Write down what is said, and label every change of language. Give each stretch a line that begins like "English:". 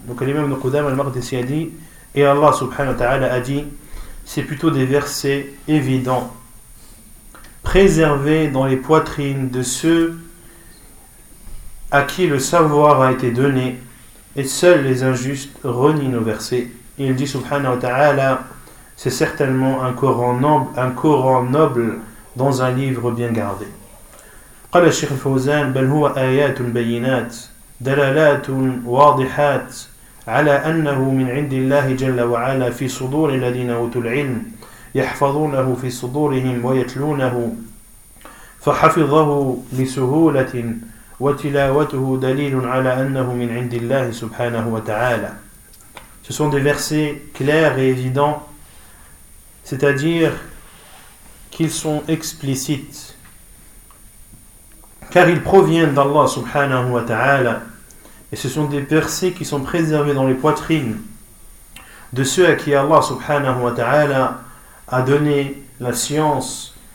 French: Donc l'imam ibn Qudama al-Maqdisi a dit, et Allah subhanahu wa ta'ala a dit, c'est plutôt des versets évidents préservés dans les poitrines de ceux à qui le savoir a été donné, et seuls les injustes renient nos versets. Il dit subhanahu wa ta'ala, c'est certainement un Coran noble dans un livre bien gardé.
Arabic: قال الشيخ الفوزان بل هو آيات بينات دلالات واضحات على أنه من عند الله جل وعلا في صدور الذين أوتوا العلم يحفظونه في صدورهم ويتلونه فحفظه لسهولة وتلاوته دليل على أنه من عند الله سبحانه وتعالى.
French: Ce sont des versets clairs et évidents, c'est-à-dire qu'ils sont explicites, car ils proviennent d'Allah subhanahu wa ta'ala, et ce sont des versets qui sont préservés dans les poitrines de ceux à qui Allah subhanahu wa ta'ala a donné la science.